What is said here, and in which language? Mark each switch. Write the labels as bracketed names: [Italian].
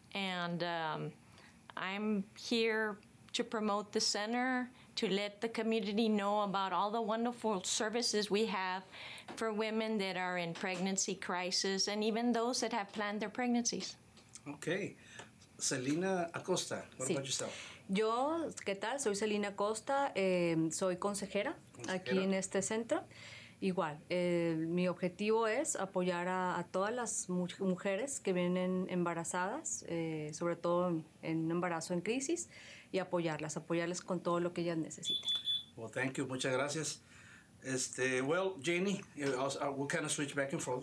[English] And I'm here to promote the center, to let the community know about all the wonderful services we have for women that are in pregnancy crisis and even those that have planned their pregnancies. Okay. Selena Acosta, what about yourself? [Spanish] Yo, ¿qué tal? Soy Selena Acosta, soy consejera aquí en este centro. Igual, mi objetivo es apoyar a todas las mujeres que vienen embarazadas, sobre todo en embarazo en crisis, y apoyarlas con todo lo que ellas necesiten. [English] Well, thank you. [Spanish] Muchas gracias. [English] Well, Janie, we'll kind of switch back and forth.